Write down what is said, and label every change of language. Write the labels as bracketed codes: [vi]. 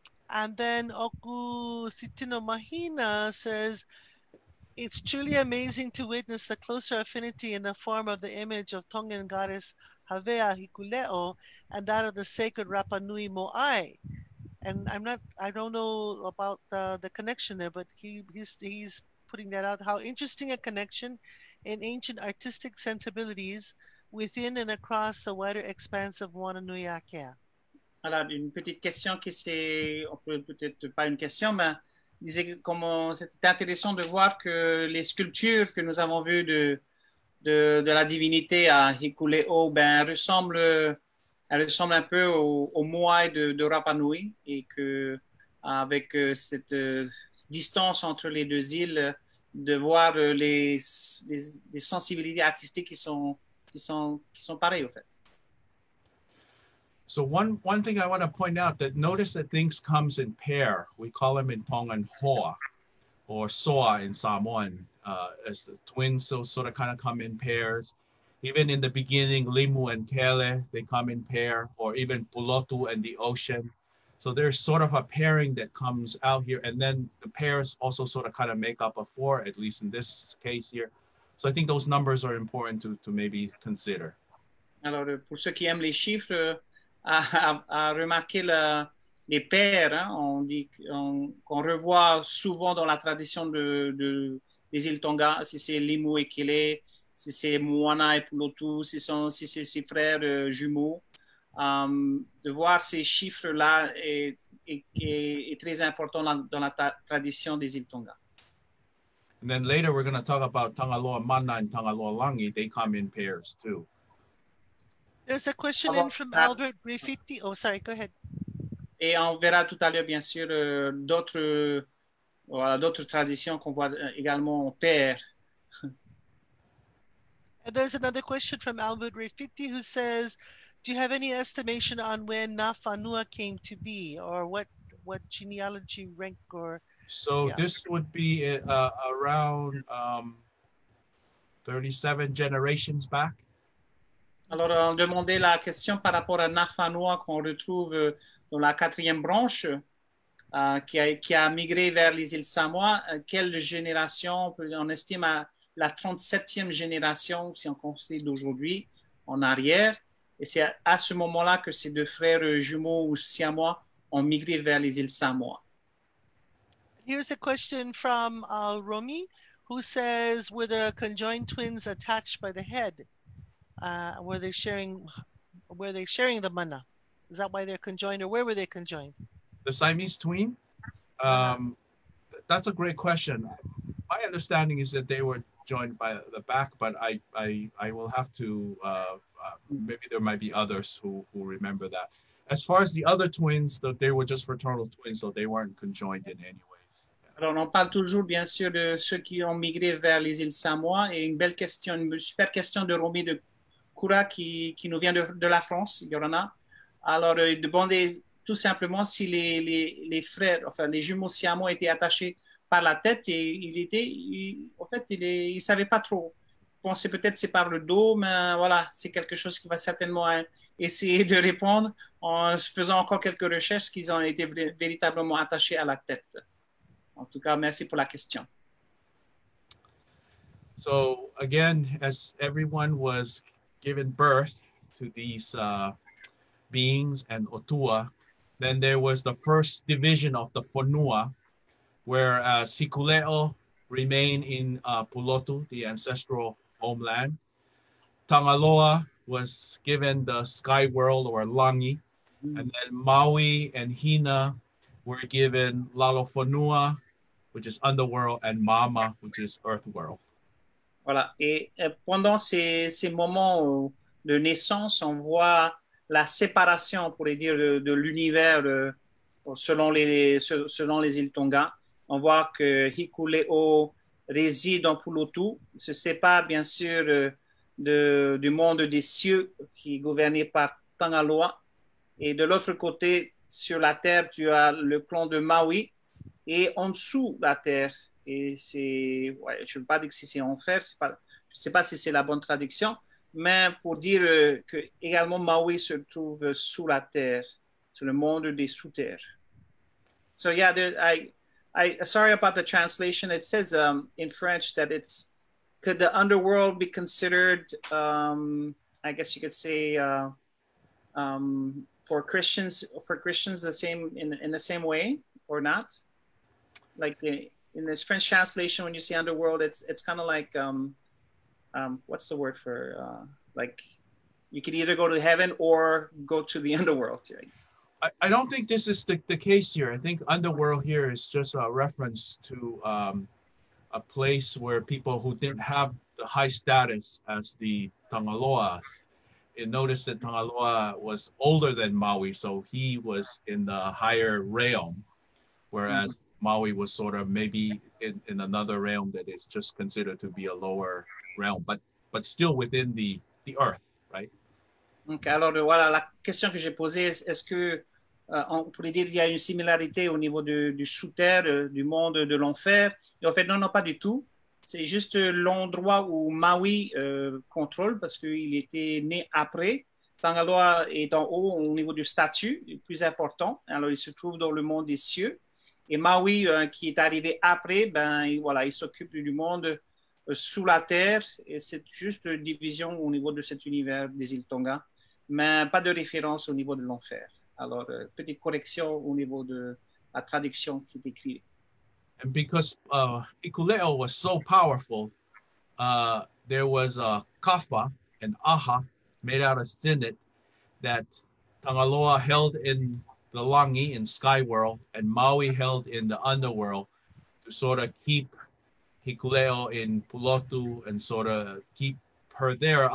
[en] And then Oku Sitino Mahina says it's truly amazing to witness the closer affinity in the form of the image of Tongan goddess Havea Hikuleʻo and that of the sacred Rapa Nui Moai. And I don't know about the connection there, but he's putting that out. How interesting a connection in ancient artistic sensibilities within and across the wider expanse of Mānoa. [fr] Alors, une petite question qui c'est, on peut peut-être pas une question, mais disait comment c'était intéressant de voir que les sculptures que nous avons vues de la divinité à Hikuleʻo ben ressemblent. Elle ressemble un peu au Moai de Rapa Nui et que avec cette distance entre les deux îles, de voir les sensibilités artistiques qui sont pareilles au fait. [en] So one thing I want to point out that notice that things comes in pair. We call them in Tongan hoa or soa in Samoan as the twins. So sort of kind of come in pairs. Even in the beginning, Limu and Kele, they come in pair, or even Pulotu and the ocean. So there's sort of a pairing that comes out here. And then the pairs also sort of kind of make up a four, at least in this case here. So I think those numbers are important to maybe consider. [fr] Alors, pour ceux qui aiment les chiffres, à remarquer les pairs, hein, qu'on revoit souvent dans la tradition des îles Tonga, si c'est Limu et Kele. Si c'est Moana et Pulotu, si c'est ses frères jumeaux, de voir ces chiffres-là est très important dans la tradition des îles Tonga. [en] And then later we're going to talk about Tangaloa Mana and Tangaloa Langi. They come in pairs too. There's a question in from Albert Griffithy. Oh, sorry, go ahead. [fr] Et on verra tout à l'heure, bien sûr, d'autres traditions qu'on voit également en pairs. [en] There's another question from Albert Rafiti who says, do you have any estimation on when Nafanua came to be or what genealogy rank or? So yeah. This would be around 37 generations back. [fr] Alors, on demandait la question par rapport à Nafanua qu'on retrouve dans la quatrième branche qui a migré vers les îles Samoa. Quelle génération on estime à la 37e génération, si on considère d'aujourd'hui, en arrière. Et c'est à ce moment-là que ces deux frères jumeaux ou siamois ont migré vers les îles Samoa. [en] Here's a question from Romy, who says, were the conjoined twins attached by the head? Were they sharing the mana? Is that why they're conjoined, or where were they conjoined? The Siamese twin? That's a great question. My understanding is that they were joined by the back, but I will have to, maybe there might be others who remember that. As far as the other twins, they were just fraternal twins, so they weren't conjoined in any way. [fr] Alors, on parle toujours, bien sûr, de ceux qui ont migré vers les îles Samoa. Et une belle question, une super question de Romy de Koura qui nous vient de la France, Yorana. Alors, il demandait tout simplement si les frères, enfin, les jumeaux siamois étaient attachés par la tête. Et il ne savait pas trop. Il pensait peut-être que c'est par le dos, mais voilà, c'est quelque chose qu'il va certainement essayer de répondre en faisant encore quelques recherches qu'ils ont été véritablement attachés à la tête. En tout cas, merci pour la question. [en] So again, as everyone was given birth to these beings and otua, then there was the first division of the fonua, whereas Hikuleʻo remained in Pulotu, the ancestral homeland. Tangaloa was given the sky world or langi, and then Māui and Hina were given Lalofonua, which is underworld, and Mama, which is earth world. [fr] Voilà. Et pendant ces moments de naissance, on voit la séparation, on pourrait dire, de l'univers selon les îles Tonga. On voit que Hikuleʻo réside en Pulotu, se sépare bien sûr du monde des cieux qui est gouverné par Tangaloa. Et de l'autre côté, sur la terre, tu as le clan de Maui. Et en dessous de la terre, et ouais, je ne veux pas dire que c'est enfer, je ne sais pas si c'est la bonne traduction, mais pour dire que également Maui se trouve sous la terre, sur le monde des sous-terres. [en] So yeah, I sorry about the translation. It says in French that it's, could the underworld be considered, I guess you could say, for Christians the same way or not? Like in this French translation, when you see underworld, it's kind of like, what's the word for, like, you could either go to heaven or go to the underworld. I don't think this is the case here. I think underworld here is just a reference to a place where people who didn't have the high status as the Tangaloas, and notice that Tangaloa was older than Maui, so he was in the higher realm, whereas Maui was sort of maybe in another realm that is just considered to be a lower realm, but still within the earth, right? [fr] Ok, alors voilà, la question que j'ai posée, est-ce que on pourrait dire qu'il y a une similarité au niveau du sous-terre, du monde de l'enfer? Et en fait, non, pas du tout. C'est juste l'endroit où Maui contrôle, parce qu'il était né après. Tangaloa est en haut, au niveau du statut, le plus important. Alors, il se trouve dans le monde des cieux. Et Maui, qui est arrivé après, il s'occupe du monde sous la terre. Et c'est juste une division au niveau de cet univers des îles Tonga, mais pas de référence au niveau de l'enfer. Alors, petite correction au niveau de la traduction qui est écrite. [en] And because Hikuleʻo was so powerful, there was a kafa, an aha, made out of sinnet that Tangaloa held in the langi in sky world and Maui held in the underworld to sort of keep Hikuleʻo in Pulotu and sort of keep her there.